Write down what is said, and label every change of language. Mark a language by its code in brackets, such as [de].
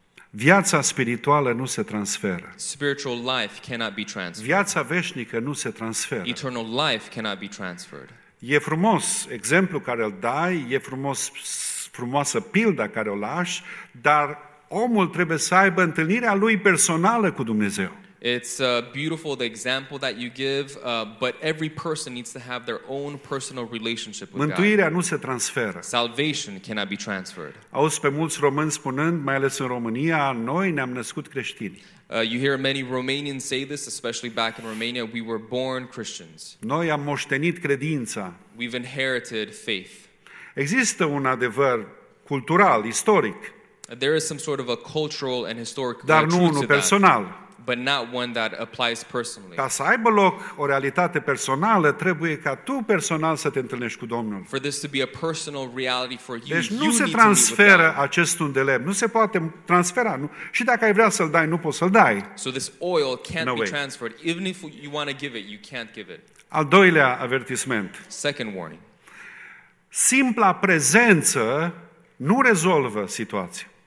[ro] Viața spirituală nu se transferă. [en] Spiritual life cannot be transferred. [ro] Viața veșnică nu se transferă. [en] Eternal life cannot be transferred. [ro] E frumos exemplu care îl dai, e frumoasă pilda care o lași, dar omul trebuie să aibă întâlnirea lui personală cu Dumnezeu. [en] It's beautiful the example that you give, but every person needs to have their own personal relationship with [ro] Mântuirea Mântuirea nu se transferă. [en] Salvation cannot be transferred. [ro] Auzi pe mulți români spunând, mai ales în România, noi ne-am născut creștini. [en] You hear many Romanians say this, especially back in Romania, we were born Christians. [ro] Noi am moștenit credința. [en] We've inherited faith. [ro] Există un adevăr cultural, istoric. [en] There is some sort of a cultural and historic truth to that. [ro] Dar nu unul personal. [en] but not one that applies personally. [ro] Ca să aibă loc o realitate personală, trebuie ca tu personal să te întâlnești cu Domnul. [en] For this to be a personal reality for you, [ro] deci nu se transferă acest unt de lemn, nu se poate transfera, nu. Și dacă ai vrea să-l dai, nu poți să-l dai. [en] So this oil can't be transferred. Even if you want to give it, you can't give it. [ro] Al doilea avertisment. [en] Second warning. [ro] Simpla prezență nu rezolvă situația.